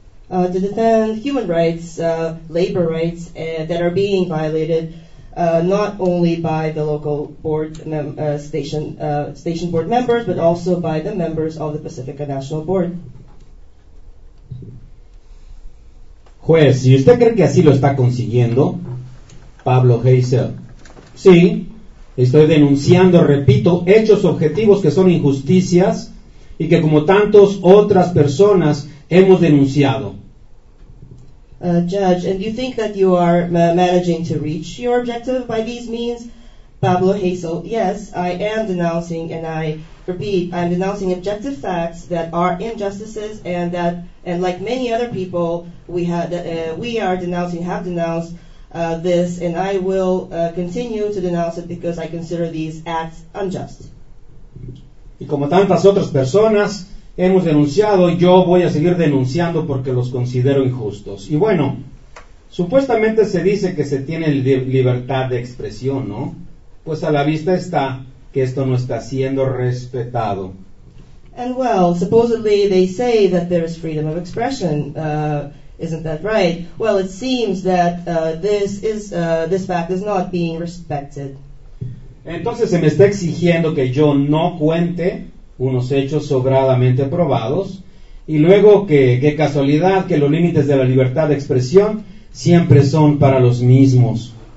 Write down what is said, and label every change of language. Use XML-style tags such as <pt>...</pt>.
<en>To defend human rights, labor rights that are being violated not only by the local board station board members, but also by the members of the Pacifica National Board.</en> <es>Juez, ¿y usted cree que así lo está consiguiendo? Pablo Hazel. Sí. Estoy denunciando, repito, hechos objetivos que son injusticias y que como tantas otras personas hemos denunciado.</es> <en>Judge, and you think that you are managing to reach your objective by these means? Pablo Hazel, yes, I am denouncing, and I repeat, I'm denouncing objective facts that are injustices and like many other people, we have denounced, this, and I will continue to denounce it because I consider these acts unjust.</en> <es>y como tantas otras personas hemos denunciado, yo voy a seguir denunciando porque los considero injustos. Y bueno, supuestamente se dice que se tiene libertad de expresión, ¿no? Pues a la vista está que esto no está siendo respetado.</es> <en>And well, supposedly they say that there is freedom of expression. Isn't that right? Well, it seems that this fact is not being respected.</en> <es>Entonces se me está exigiendo que yo no cuente unos hechos sobradamente probados, y luego que, qué casualidad, que los límites de la libertad de expresión siempre son para los mismos.</es>